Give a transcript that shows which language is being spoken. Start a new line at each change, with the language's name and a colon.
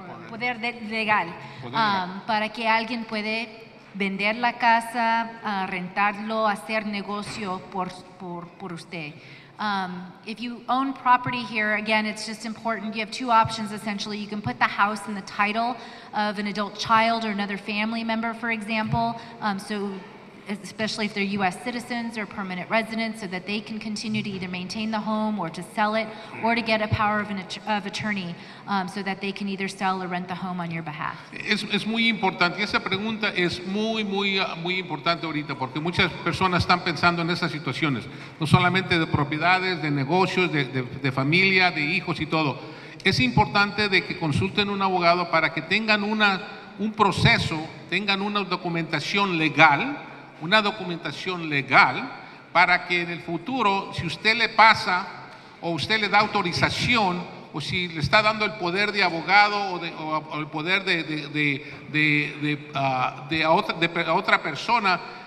Spanish: Poder legal, para que alguien puede vender la casa, rentarlo, hacer negocio por usted.
English: If you own property here, again, it's just important. You have two options, essentially. You can put the house in the title of an adult child or another family member, for example. So especially if they're U.S. citizens or permanent residents, so that they can continue to either maintain the home or to sell it, or to get a power of attorney, so that they can either sell or rent the home on your behalf.
Spanish: Es muy importante. Esa pregunta es muy, muy, muy importante ahorita, porque muchas personas están pensando en esas situaciones, no solamente de propiedades, de negocios, de familia, de hijos y todo. Es importante de que consulten un abogado para que tengan un proceso, tengan una documentación legal, una documentación legal para que en el futuro, si usted le pasa o usted le da autorización o si le está dando el poder de abogado o el poder de otra persona